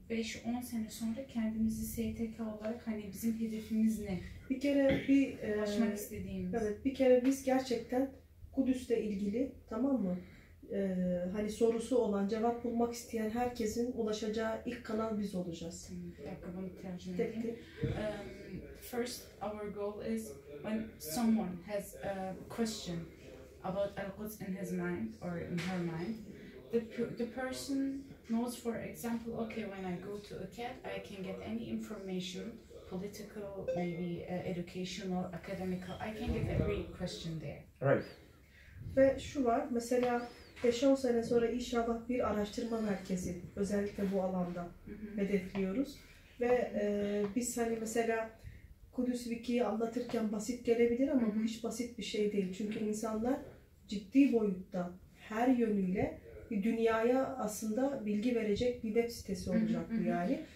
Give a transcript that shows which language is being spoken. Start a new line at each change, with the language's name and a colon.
Turkish: 5-10 sene sonra kendimizi STK olarak hani bizim hedefimiz ne? Bir kere bir ulaşmak istediğimiz. Evet, bir kere biz gerçekten Kudüs'le ilgili tamam mı? Hani sorusu olan, cevap bulmak isteyen herkesin ulaşacağı ilk kanal biz olacağız. Bir dakika bunu tercüme edeyim.
English: First our goal is when someone has a question about Al-Quds in his mind or in her mind, the person knows, for example, okay, when I go to UKEAD, I can get any information, political, maybe educational, academical, I can get every question there. Right.
Turkish: Ve şu var, mesela 5-10 sene sonra inşallah bir araştırma merkezi, özellikle bu alanda mm-hmm. hedefliyoruz. Ve biz hani mesela Kudüs Viki'yi anlatırken basit gelebilir ama bu hiç basit bir şey değil. Çünkü insanlar ciddi boyutta her yönüyle dünyaya aslında bilgi verecek bir web sitesi olacak bu yani.